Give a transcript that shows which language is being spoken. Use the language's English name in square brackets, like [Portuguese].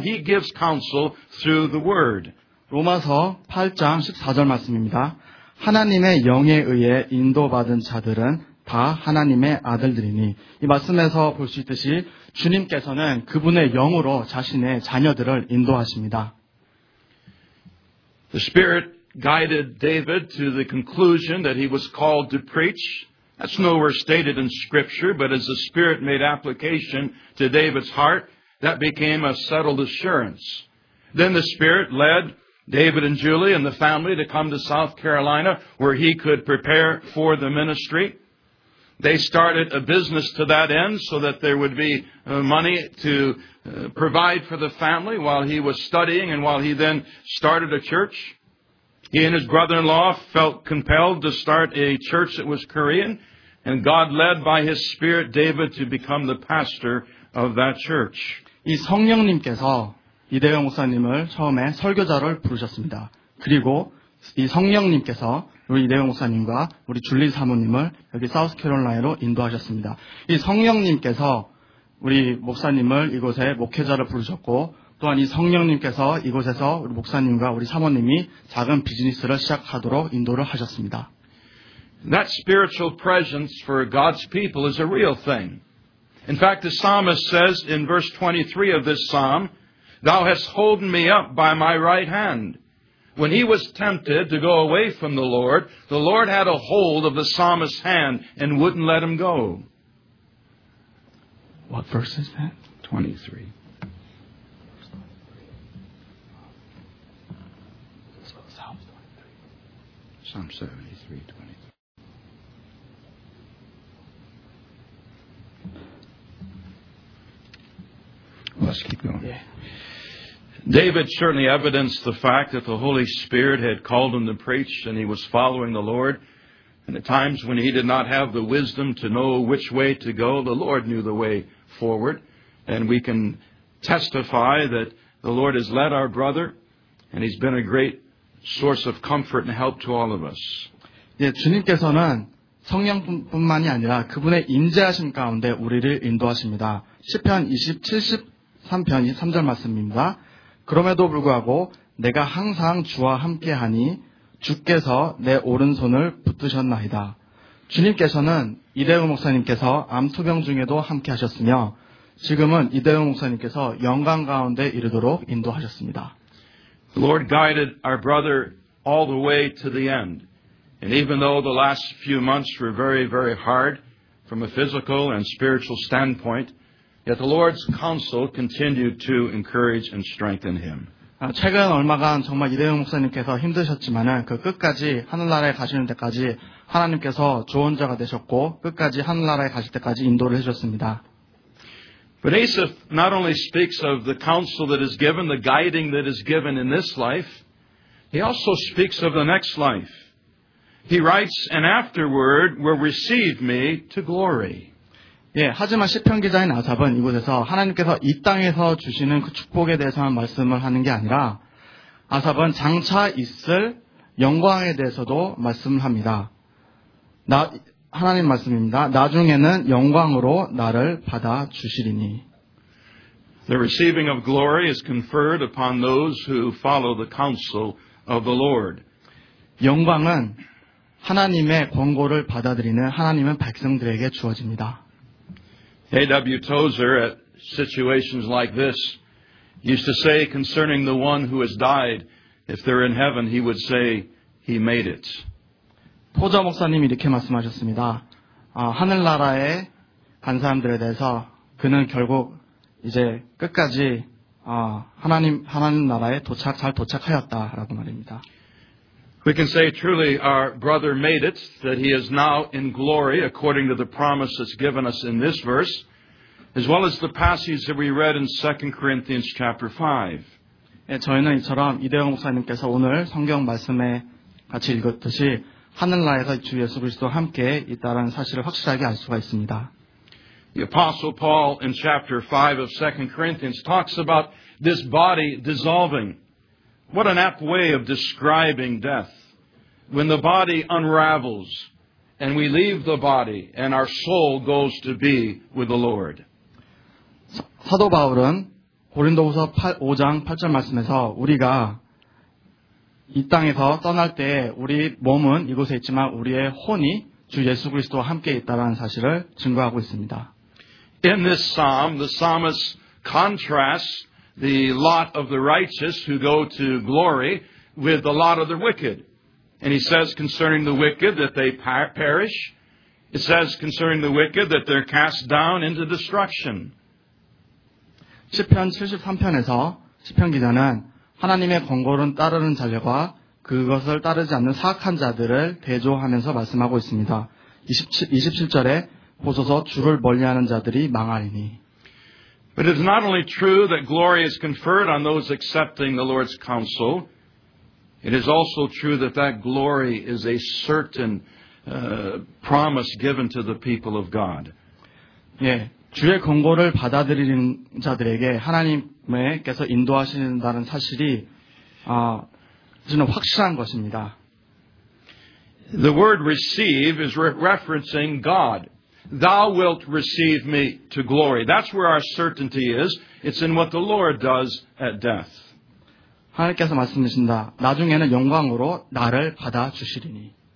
[English] He gives counsel through the Word. [Korean] 로마서 8장 14절 말씀입니다. 하나님의 영에 의해 인도받은 자들은 다 하나님의 아들들이니 이 말씀에서 볼 수 있듯이 주님께서는 그분의 영으로 자신의 자녀들을 인도하십니다. [English] The Spirit guided David to the conclusion that he was called to preach. That's nowhere stated in Scripture, but as the Spirit made application to David's heart, that became a settled assurance. Then the Spirit led David and Julie and the family to come to South Carolina where he could prepare for the ministry. They started a business to that end so that there would be money to provide for the family while he was studying and while he then started a church. He and his brother-in-law felt compelled to start a church that was Korean, and God led by his spirit David to become the pastor of that church. [Korean] 이 성령님께서 이대형 목사님을 처음에 설교자를 부르셨습니다. 그리고 이 성령님께서 우리 이대형 목사님과 우리 줄리 사모님을 여기 사우스 캐롤라이나로 인도하셨습니다. 이 성령님께서 우리 목사님을 이곳에 목회자를 부르셨고 또한 이 성령님께서 이곳에서 우리 목사님과 우리 사모님이 작은 비즈니스를 시작하도록 인도를 하셨습니다. [English] That spiritual presence for God's people is a real thing. In fact, the psalmist says in verse 23 of this psalm, Thou hast holden me up by my right hand. When he was tempted to go away from the Lord had a hold of the psalmist's hand and wouldn't let him go. What verse is that? 23. Psalm 73, 23. Let's keep going. Yeah. David certainly evidenced the fact that the Holy Spirit had called him to preach and he was following the Lord. And at times when he did not have the wisdom to know which way to go, the Lord knew the way forward. And we can testify that the Lord has led our brother and he's been a great source of comfort and help to all of us. [Korean] 예, 주님께서는 성령뿐만이 아니라 그분의 인자하심 가운데 우리를 인도하십니다. 시편 73편 3절 말씀입니다. 그럼에도 불구하고 내가 항상 주와 함께하니 주께서 내 오른손을 붙드셨나이다. 주님께서는 이대형 목사님께서 암투병 중에도 함께하셨으며 지금은 이대형 목사님께서 영광 가운데 이르도록 인도하셨습니다. [English] The Lord guided our brother all the way to the end. And even though the last few months were very, very hard from a physical and spiritual standpoint, Yet the Lord's counsel continued to encourage and strengthen him. [Korean] 최근 얼마간 정말 이대형 목사님께서 힘드셨지만은 그 끝까지 하늘나라에 가시는 데까지 하나님께서 조언자가 되셨고 끝까지 하늘나라에 가실 때까지 인도를 해주셨습니다. [English] But Asaph not only speaks of the counsel that is given, the guiding that is given in this life, he also speaks of the next life. He writes, "And afterward will receive me to glory." [Korean] 예, 하지만 시편 기자인 아삽은 이곳에서 하나님께서 이 땅에서 주시는 그 축복에 대해서만 말씀을 하는 게 아니라 아삽은 장차 있을 영광에 대해서도 말씀을 합니다. 하나님 말씀입니다. 나중에는 영광으로 나를 받아 주시리니. [English] The receiving of glory is conferred upon those who follow the counsel of the Lord. [Korean] 영광은 하나님의 권고를 받아들이는 하나님의 백성들에게 주어집니다. [English] A.W. Tozer, at situations like this, used to say concerning the one who has died, if they're in heaven, he would say, he made it. [Korean] 토저 목사님이 이렇게 말씀하셨습니다. 하늘나라에 간 사람들에 대해서 그는 결국 이제 끝까지 하나님 나라에 잘 도착하였다라고 말입니다. [English] We can say truly our brother made it, that he is now in glory according to the promise that's given us in this verse, as well as the passage that we read in 2 Corinthians chapter 5. [Korean] 예, 저희는 이처럼 이대형 목사님께서 오늘 성경 말씀에 같이 읽었듯이 하늘나라에서 주 예수 그리스도와 함께 있다는 사실을 확실하게 알 수가 있습니다. [English] The Apostle Paul in chapter 5 of 2 Corinthians talks about this body dissolving. What an apt way of describing death. When the body unravels and we leave the body and our soul goes to be with the Lord. [Korean] 사도 바울은 고린도후서 5장 8절 말씀에서 우리가 이 땅에서 떠날 때 우리 몸은 이곳에 있지만 우리의 혼이 주 예수 그리스도와 함께 있다라는 사실을 증거하고 있습니다. [English] In this psalm, the psalmist contrasts the lot of the righteous who go to glory with the lot of the wicked. And he says concerning the wicked that they perish. It says concerning the wicked that they're cast down into destruction. [Korean] 시편 73편에서 시편 기자는 하나님의 권고를 따르는 자들과 그것을 따르지 않는 사악한 자들을 대조하면서 말씀하고 있습니다. 27절에 보소서 주를 멀리하는 자들이 망하리니. [English] But it is not only true that glory is conferred on those accepting the Lord's counsel. It is also true that that glory is a certain promise given to the people of God. [Korean] 예, 주의 권고를 받아들이는 자들에게 하나님께서 인도하신다는 사실이 저는 확실한 것입니다. [English] The word receive is referencing God. Thou wilt receive me to glory. That's where our certainty is. It's in what the Lord does at death. [Korean] 하나님께서 말씀하신다. 나중에는 영광으로 나를 받아 주시리니.